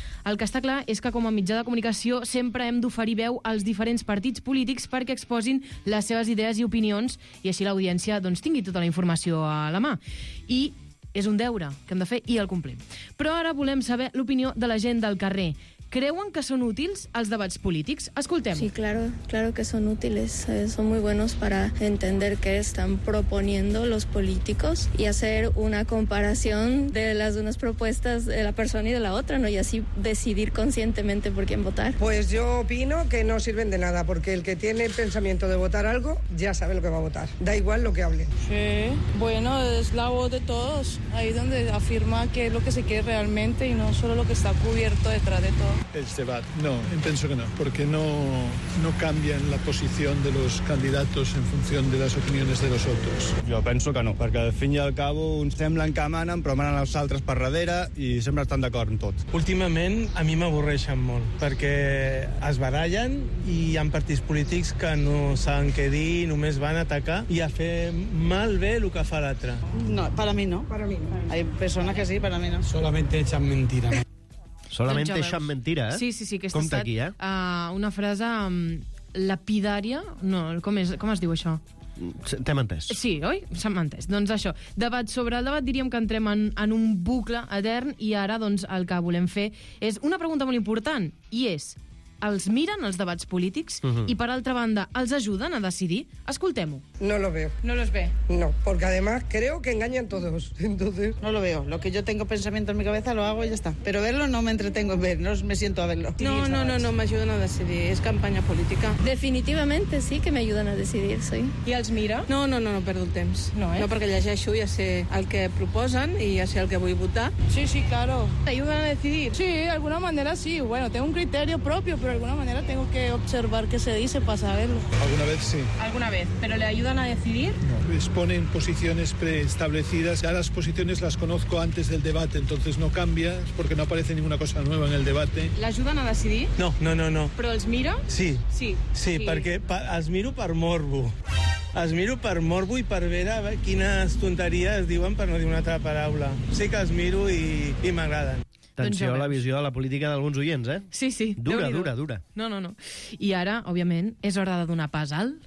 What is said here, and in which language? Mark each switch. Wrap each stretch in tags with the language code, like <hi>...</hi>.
<ca>El que està clar és que com a mitjà de comunicació sempre hem d'oferir veu als diferents partits polítics perquè exposin les seves idees i opinions i així l'audiència, doncs, tingui tota la informació a la mà. I és un deure que hem de fer i el complim. Però ara volem saber l'opinió de la gent del carrer. ¿Creuen que</ca> <es>son útiles los debates políticos?</es> <ca>Escoltemos.</ca> <es>Sí, claro, claro que son útiles. Son muy buenos para entender qué están proponiendo los políticos y hacer una comparación de las unas propuestas de la persona y de la otra, ¿no? Y así decidir conscientemente por quién votar. Pues yo opino que no sirven de nada, porque el que tiene el pensamiento de votar algo ya sabe lo que va a votar. Da igual lo que hable. Sí, bueno, es la voz de todos. Ahí donde afirma qué es lo que se quiere realmente y no solo lo que está cubierto detrás de todo. El debate, no, pienso que no, porque no cambian la posición de los candidatos en función de las opiniones de los otros. Yo pienso que no, porque al fin y al cabo</es> <ca>uns semblen que manen, però manen els altres per darrere i sempre estan d'acord en tot. Últimament a mi m'avorreixen molt, perquè es barallen i hi ha partits polítics que no saben què dir, només van a atacar i a fer malbé el que fa l'altre. No, per a mi no. Per a mi no.</ca> <es>Hay personas que sí,</es> <ca>per a mi no.</ca> <es>Solamente echan mentira.</es> <ca>Solament doncs deixant mentira, eh? Sí, sí, sí. Compte estat, aquí, eh? Una frase lapidària... No, com és, com es diu això? T'hem entès. Sí, oi? S'hem entès. Doncs això, debat sobre el debat, diríem que entrem en un bucle etern i ara, doncs, el que volem fer és una pregunta molt important, i és, els miren els debats polítics i, per altra banda, els ajuden a decidir? Escoltem-ho.</ca> <es>No lo veo. No los ve. No, porque además creo que engañan todos. Entonces... No lo veo. Lo que yo tengo pensamiento en mi cabeza lo hago y ya está. Pero verlo no me entretengo en ver, no me siento a verlo. No, sí, no me ayudan a decidir. Es campaña política. Definitivamente sí que me ayudan a decidir, sí.</es> <ca>¿Y els mira? No, perdo el temps. No, eh? No, perquè llegeixo, ja sé el que proposen i ja sé el que vull votar.</ca> <es>Sí, claro. ¿Te ayudan a decidir? Sí, de alguna manera sí. Bueno, tengo un criterio propio, pero de alguna manera tengo que observar qué se dice para saberlo. ¿Alguna vez sí? ¿Alguna vez? ¿Pero le ayudan a decidir? No, les ponen posiciones preestablecidas. Ya las posiciones las conozco antes del debate, entonces no cambia porque no aparece ninguna cosa nueva en el debate. ¿Le ayudan a decidir? No.</es> <ca>¿Pero els miro? Sí. Perquè els miro per morbo. Els miro per morbo i per veure quines tonteries diuen per no dir una altra paraula. Sí que els miro i m'agraden. Atenció a la visió de la política d'alguns oients, eh? Sí. Dura. No. I ara, òbviament, és hora de donar pas al...</ca>